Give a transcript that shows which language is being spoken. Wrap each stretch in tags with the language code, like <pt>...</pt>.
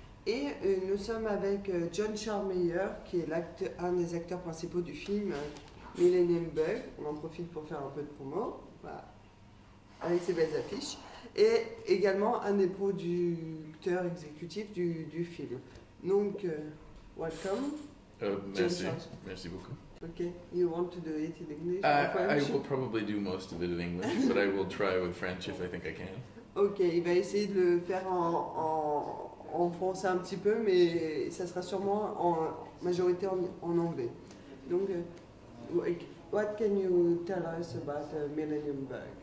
<fr>Et nous sommes avec John Charles Meyer, qui est un des acteurs principaux du film Millenium Bug. On en profite pour faire un peu de promo, voilà. Avec ses belles affiches. Et également un des producteurs exécutifs du film. Donc,</fr> <en>welcome.</en> <fr>Merci, merci beaucoup.</fr> <en>Okay, you want to do it in English or French? I will probably do most of it in English, but I will try with French if I think I can.</en> <fr>Okay, il va essayer de le faire en français un petit peu, mais ça sera sûrement en majorité en anglais. Donc,</fr> <en>what can you tell us about Millenium Bug?</en>